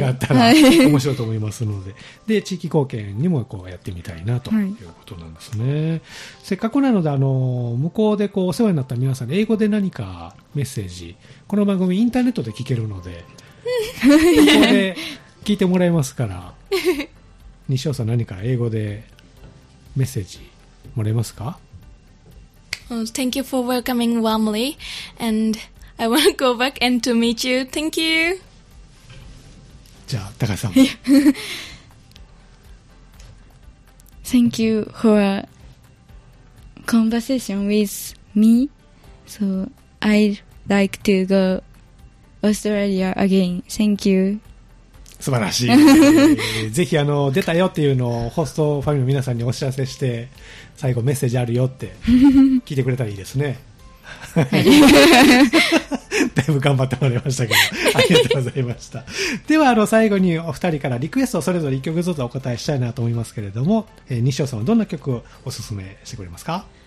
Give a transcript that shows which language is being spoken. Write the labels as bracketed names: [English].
[Japanese] まあ、機会があったら面白いと思いますので、はい、で地域貢献にもこうやってみたいなということなんですね、はい、せっかくなので、あの向こうでこうお世話になった皆さんに英語で何かメッセージ、この番組インターネットで聞けるので向こうで聞いてもらえますから西尾さん、何か英語でメッセージもらえますか？ [English] Thank you for welcoming warmly andI want to go back and to meet you. Thank you. [Japanese] じゃあ高橋さん。 [English] Thank you for conversation with me. So I'd like to go Australia again. Thank you. [Japanese] 素晴らしい。ぜひあの出たよっていうのをホストファミリーの皆さんにお知らせして、最後メッセージあるよって聞いてくれたらいいですね。だいぶ頑張ってもらいましたけどありがとうございましたではあの最後にお二人からリクエストをそれぞれ1曲ずつお答えしたいなと思いますけれども、西尾さんはどんな曲をおすすめしてくれますか？